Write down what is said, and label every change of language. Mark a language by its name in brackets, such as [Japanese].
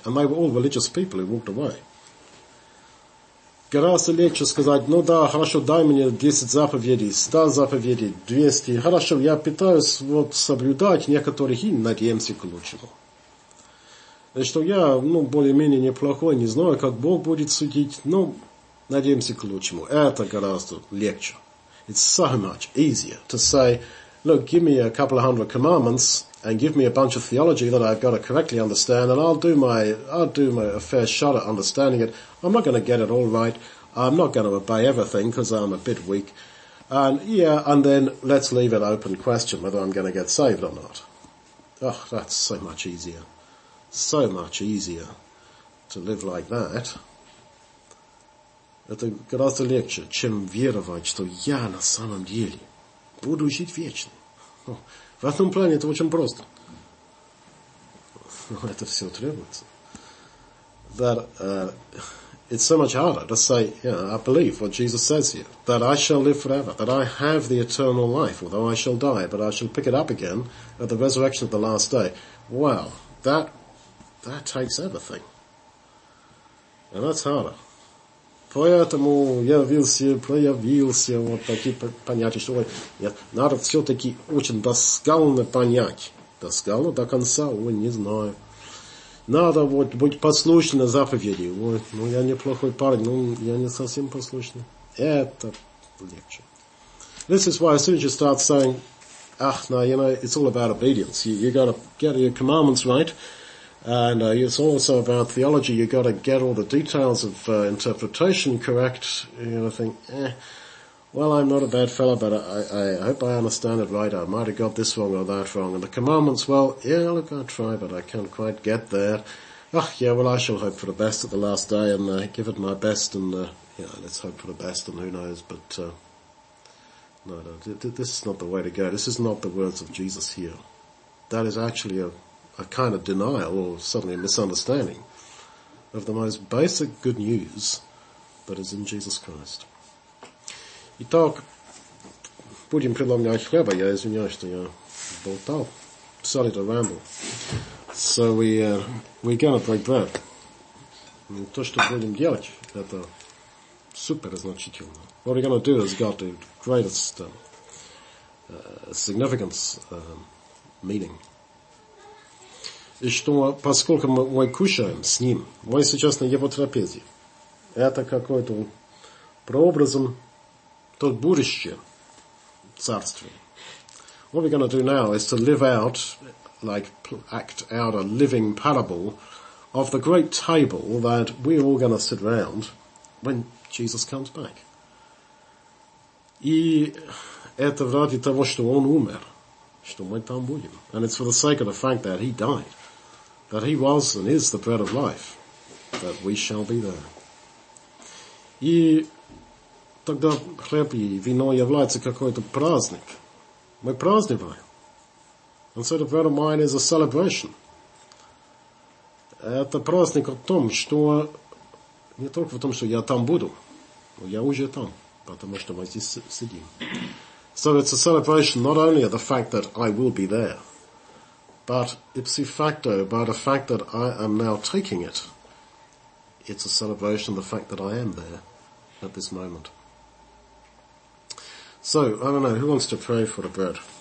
[English] And they were all religious people who walked away. [Russian] Гораздо легче сказать, ну да, хорошо, дай мне 10 заповедей, 100 заповедей, 200. Хорошо, я пытаюсь вот соблюдать некоторых и надеемся к лучшему. Значит, что я, ну, более-менее неплохой, не знаю, как Бог будет судить, но надеемся к лучшему. Это гораздо легче. [English] It's so much easier to say, look, give me a couple of hundred commandments and give me a bunch of theology that I've got to correctly understand, and I'll do my fair shot at understanding it. I'm not going to get it all right. I'm not going to obey everything because I'm a bit weak. And yeah, and then let's leave an open question whether I'm going to get saved or not. Oh, that's so much easier. So much easier to live like that. [Russian] Это гораздо легче, чем веровать, что я на самом деле буду жить вечно. В этом плане это очень просто. Но это все требуется. [English] That it's so much harder to say, yeah, I believe what Jesus says here, that I shall live forever, that I have the eternal life, although I shall die, but I shall pick it up again at the resurrection of the last day. Wow, that takes everything. And that's harder. [Russian] Поэтому проявился вот такие понятия, что надо все-таки очень досконально понять. Досконально до конца, ой, не знаю. Надо вот быть послушным на заповеди. Ой, ну я неплохой парень, но я не совсем послушный. Это легче. [English] This is why as soon as you start saying, ах, no, you know, it's all about obedience. You got to get your commandments right. And it's also about theology. You got to get all the details of interpretation correct. You know, think, eh, well, I'm not a bad fellow, but I hope I understand it right. I might have got this wrong or that wrong. And the commandments, well, yeah, look, I try, but I can't quite get there. Oh, yeah, well, I shall hope for the best at the last day and give it my best. And, yeah, let's hope for the best and who knows. But, no, this is not the way to go. This is not the words of Jesus here. That is actually a kind of denial or suddenly a misunderstanding of the most basic good news that is in Jesus Christ. [Russian] Итак, будем предлагать хлеба, я извиняюсь, что я болтал. [English] Sorry to ramble. So we're going to break bread. [Russian] То, что будем делать, это супер значительно. [English] What we're going to do has got the greatest significance, meaning. [Russian] И что, поскольку мы кушаем с ним, мы сейчас на его трапезе. Это какой-то прообразом то будущее царствие. [English] What we're going to do now is to live out, like act out a living parable of the great table that we're all going to sit round when Jesus comes back. [Russian] И это ради того, что он умер, что мы там будем. [English] And it's for the sake of the fact that he died, that he was and is the bread of life, that we shall be there. [Russian] И тогда хлеб и вино является какой-то праздник. Мы праздниваем. [English] And so the bread of mine is a celebration. [Russian] Это праздник о том, что не только в том, что я там буду, но я уже там, потому что мы здесь сидим. [English] So it's a celebration not only of the fact that I will be there, but ipso facto, by the fact that I am now taking it, it's a celebration of the fact that I am there at this moment. So, I don't know, who wants to pray for the bread?